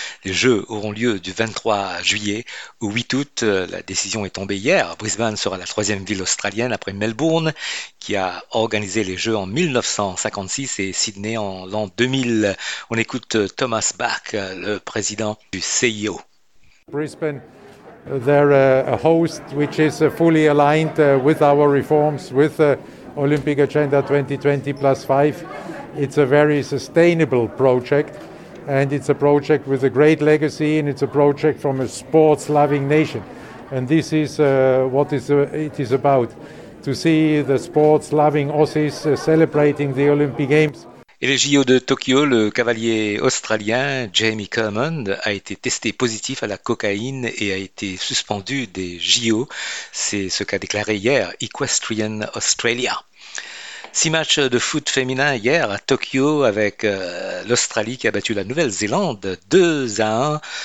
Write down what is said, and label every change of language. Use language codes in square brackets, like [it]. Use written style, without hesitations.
[fr] Les Jeux auront lieu du 23 juillet au 8 août. La décision est tombée hier. Brisbane sera la troisième ville australienne après Melbourne qui a organisé les Jeux en 1956 et Sydney en l'an 2000. On écoute Thomas Bach, le président du CIO. [en] Brisbane. They're a host which is fully aligned with our reforms, with Olympic Agenda 2020 plus 5. It's a very sustainable project, and it's a project with a great legacy, and it's a project from a sports-loving nation. And this is what it is about, to see the sports-loving Aussies celebrating the Olympic Games. [fr] Et les JO de Tokyo, le cavalier australien Jamie Kerman a été testé positif à la cocaïne et a été suspendu des JO. C'est ce qu'a déclaré hier Equestrian Australia. 6 matchs de foot féminin hier à Tokyo avec l'Australie qui a battu la Nouvelle-Zélande 2-1.